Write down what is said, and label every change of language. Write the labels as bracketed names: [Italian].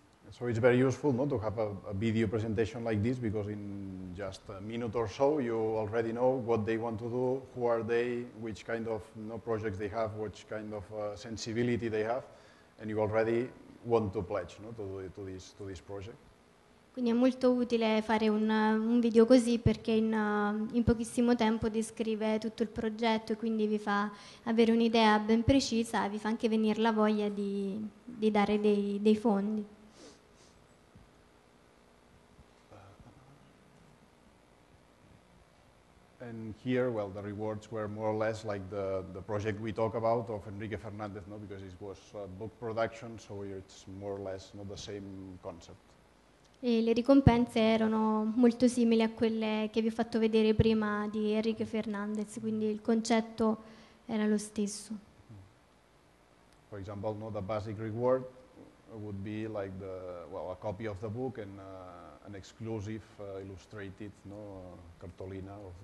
[English] So it's very useful, no, to have a video presentation like this, because in just a minute or so you already know what they want to do, who are they, which kind of projects they have, which kind of sensibility they have, and you already want to pledge, no, to this project. [Italian] Quindi è molto utile fare un video così, perché in pochissimo tempo descrive tutto il progetto e quindi vi fa avere un'idea ben precisa, vi fa anche venire la voglia di dare dei fondi. [English] And here, well, the rewards were more or less like the project we talk about of Enrique Fernandez, no, because it was a book production, so it's more or less not the same concept. [Italian] E le ricompense erano molto simili a quelle che vi ho fatto vedere prima di Enrique Fernandez, quindi il concetto era lo stesso. [English] For example, no, the basic reward would be like the, well, a copy of the book and an exclusive illustrated cartolina